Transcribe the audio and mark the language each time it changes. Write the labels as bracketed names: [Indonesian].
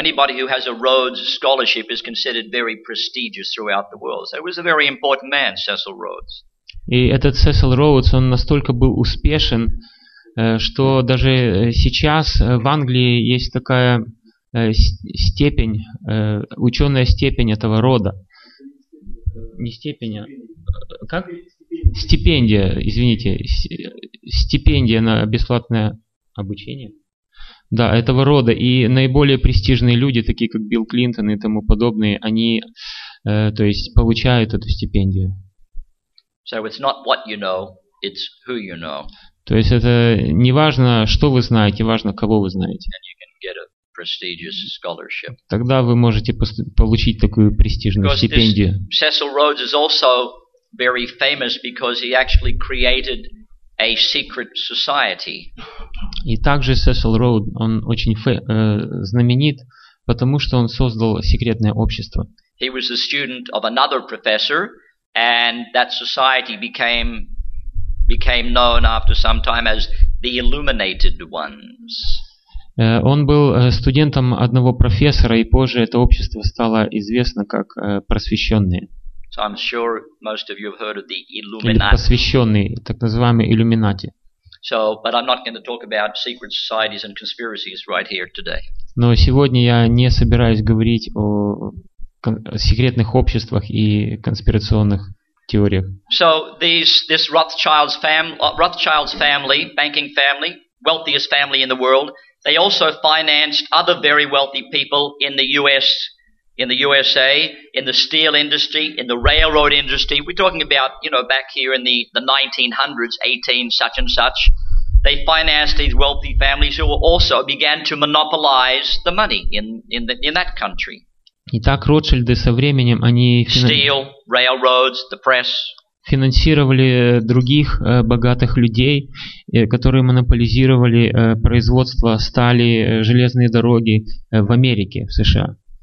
[English] So anybody who has a Rhodes Scholarship is considered very prestigious throughout the world. So he was a very important man, Cecil Rhodes. [Russian] И этот Cecil Rhodes, он настолько был успешен, что даже сейчас в Англии есть такая степень, ученая степень этого рода. Не степень, а... Как? Стипендия, извините. Стипендия на бесплатное обучение. Да, этого рода. И наиболее престижные люди, такие как Билл Клинтон и тому подобные, они, то есть, получают эту стипендию. [English] So it's not what you know, it's who you know. [Russian] То есть это не важно, что вы знаете, важно, кого вы знаете. [English] And you can get a prestigious scholarship. [Russian] Тогда вы можете получить такую престижную [English] Because [Russian] стипендию. [English] This Cecil Rhodes is also very famous because he actually created a secret society. [Russian] И также Cecil Rhodes, он очень знаменит, потому что он создал секретное общество. [English] He was a student of another professor, and that society became known after some time as the Illuminated Ones. [Russian] Он был студентом одного профессора, и позже это общество стало известно как просвещенные. [English] So I'm sure most of you have heard of the Illuminati. [Russian] Или посвященные, так называемые иллюминати. [English] So, but I'm not going to talk about secret societies and conspiracies right here today. [Russian] Но сегодня я не собираюсь говорить о секретных обществах и конспирационных теориях. [English] So this Rothschild's family, banking family, wealthiest family in the world, they also financed other very wealthy people in the U.S. in the USA, in the steel industry, in the railroad industry. We're talking about, you know, back here in the 1900s, 18 such and such. They financed these wealthy families who also began to monopolize the money in that country. [Russian] Итак, Ротшильды со временем они [English] steel, railroads, the press. [Russian] Финансировали других богатых людей, которые монополизировали производство стали, железные дороги в Америке, в США.